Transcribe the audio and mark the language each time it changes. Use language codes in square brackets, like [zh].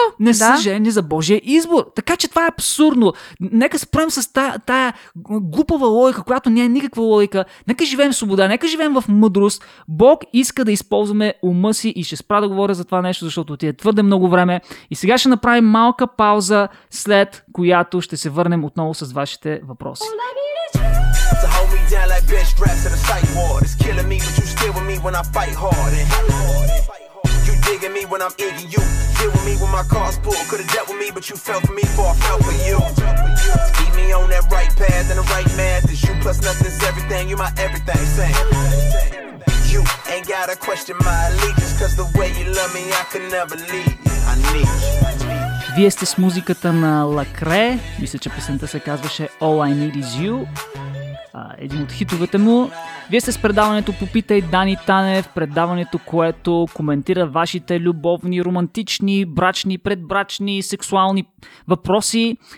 [bg] Те не са, не са жени за Божия избор. Така че това е абсурдно. Нека спрем с тая глупава логика, която не е никаква логика. Нека живеем в свобода, нека живеем в мъдрост. Бог иска да използваме ума си и ще спра да говоря за това нещо, защото ти е твърде много време. И сега ще направим малка пауза, след която ще се върнем отново с вашите въпроси. [en] So hold me down like bed straps at a sight ward. It's killing me, but you still with me when I fight hard. And you digging me when I'm eating you. Deal with me when my car's pulled. Could've dealt with me, but you fell for me before I fell for you. Keep me on that right path and the right math. It's you plus nothing's everything. You my everything, same. You ain't gotta question my allegiance. Cause the way you love me, I could never leave. I need you. [bg] Вие сте с музиката на Лакре. Мисля, че песента се казваше All I Need Is You. Един от хитовете му. Вие сте с предаването Попитай Дани Танев, предаването, което коментира вашите любовни, романтични, брачни, предбрачни, сексуални въпроси.